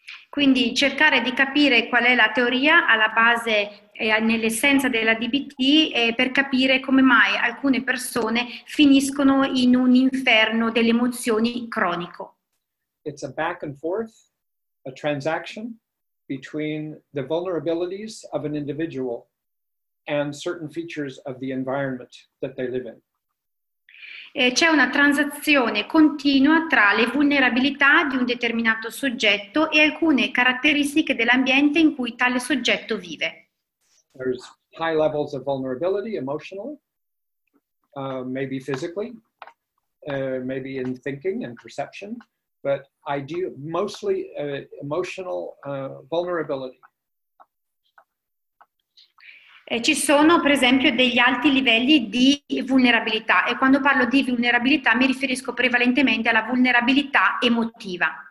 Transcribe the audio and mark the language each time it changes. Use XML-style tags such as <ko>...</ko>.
<it>Quindi cercare di capire qual è la teoria alla base nell'essenza della DBT per capire come mai alcune persone finiscono in un inferno delle emozioni cronico.</it> <en>It's a back and forth, a transaction between the vulnerabilities of an individual and certain features of the environment that they live in.</en> <it>C'è una transazione continua tra le vulnerabilità di un determinato soggetto e alcune caratteristiche dell'ambiente in cui tale soggetto vive.</it> <en>There's high levels of vulnerability emotionally, maybe physically, maybe in thinking and perception, but I do mostly emotional vulnerability.</en> <it>Ci sono, per esempio, degli alti livelli di vulnerabilità, e quando parlo di vulnerabilità mi riferisco prevalentemente alla vulnerabilità emotiva.</it>